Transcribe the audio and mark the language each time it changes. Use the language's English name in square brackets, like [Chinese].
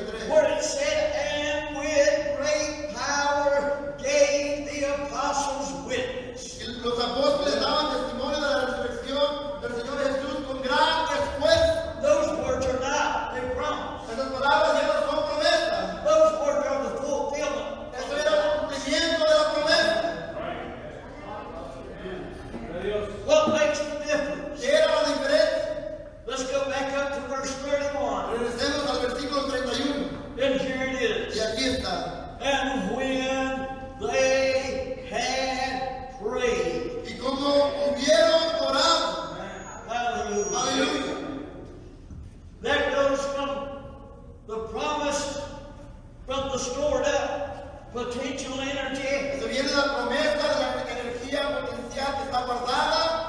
[English] Where it said, and with great power gave the apostles witness. [Spanish] Los apóstoles daban testimonio de la resurrección del Señor Jesús con gran esfuerzo. [English] Those words are not a promise. [Spanish] Esas palabras ya no son promesas. [English] Those words are the fulfillment. [Spanish] Eso era el cumplimiento de la promesa. [English] What makes the difference? [Spanish] ¿Qué era la diferencia? [English] Let's go back up to verse 31. [Spanish] Regresemos al versículo 31. [English] And here it is. [Spanish] Y aquí está. [English] And when they had prayed. [Spanish] Y como hubieron orado. [English] Hallelujah. That goes from the promise, from the stored up potential energy. [Spanish] Se viene la promesa de la energía potencial que está guardada.